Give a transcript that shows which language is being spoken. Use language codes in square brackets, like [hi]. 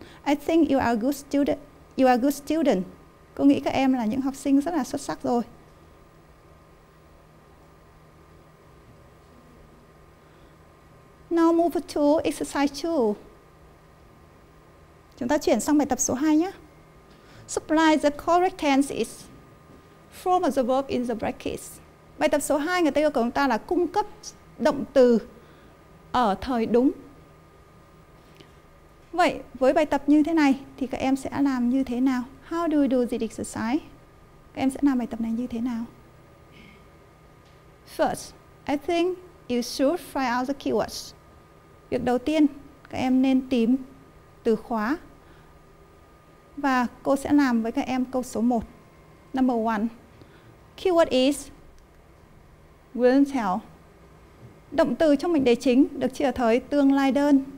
[en] I think you are a good student. [vi] You are a good student. Cô nghĩ các em là những học sinh rất là xuất sắc rồi. [en] Now move to exercise 2. [vi] Chúng ta chuyển sang bài tập số 2 nhé. [en] Supply the correct tenses from the verb in the brackets. [vi] Bài tập số 2 người ta yêu cầu chúng ta là cung cấp động từ ở thời đúng. Vậy với bài tập như thế này thì các em sẽ làm như thế nào? [en] How do we do the exercise? [vi] Các em sẽ làm bài tập này như thế nào? [en] First, I think you should find out the keywords. [vi] Việc đầu tiên, các em nên tìm từ khóa. Và cô sẽ làm với các em câu số 1. [en] Number 1. Keyword is Wilhelm. [vi] Động từ trong mệnh đề chính được chia ở thời tương lai đơn.